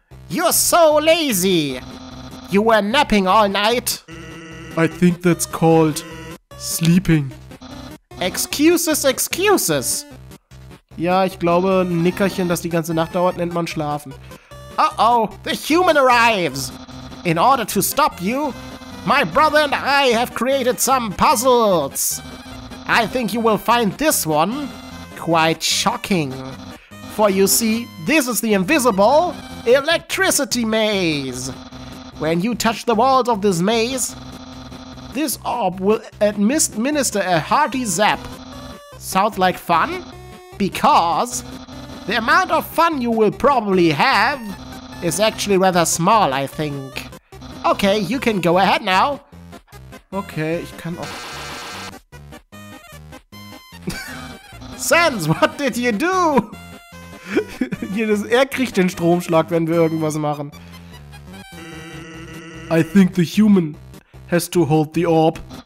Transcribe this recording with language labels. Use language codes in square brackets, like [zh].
[en] You're so lazy. You were napping all night. I think that's called sleeping. Excuses, excuses. [de] Ja, ich glaube, ein Nickerchen, das die ganze Nacht dauert, nennt man schlafen. [en] Uh-oh, the human arrives. In order to stop you, my brother and I have created some puzzles. I think you will find this one quite shocking. For you see, this is the invisible electricity maze. When you touch the walls of this maze, this orb will administer a hearty zap. Sounds like fun? Because the amount of fun you will probably have is actually rather small, I think. Okay, you can go ahead now. [de] Okay, ich kann auch... [en] Sans, what did you do? [de] Er kriegt den Stromschlag, wenn wir irgendwas machen. [en] I think the human has to hold the orb.